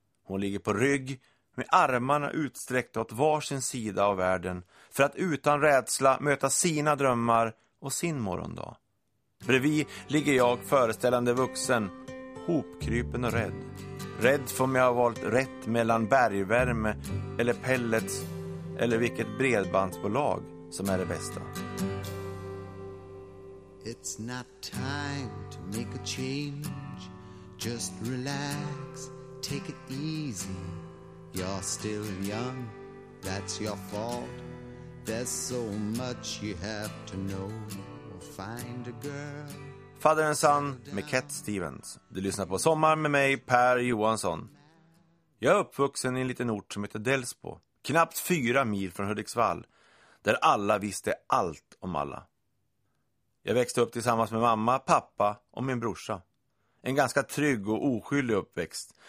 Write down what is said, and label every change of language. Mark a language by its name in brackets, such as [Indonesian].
[Swedish] Hon ligger på rygg med armarna utsträckta åt varsin sida av världen för att utan rädsla möta sina drömmar och sin morgondag. Bredvid ligger jag föreställande vuxen, hopkrypen och rädd. Rädd för om jag har valt rätt mellan bergvärme eller pellets eller vilket bredbandsbolag som är det bästa. [English] It's not time to make a change. Just relax, take it easy. You're still young, that's your fault. There's so much you have to know. Find a girl. [Swedish] Father and Son med Cat Stevens. Du lyssnar på Sommar med mig, Per Johansson. Jag är uppvuxen i en liten ort som heter Delsbo, knappt 4 mil från Hudiksvall, där alla visste allt om alla. Jag växte upp tillsammans med mamma, pappa och min brorsa. En ganska trygg och oskyldig uppväxt.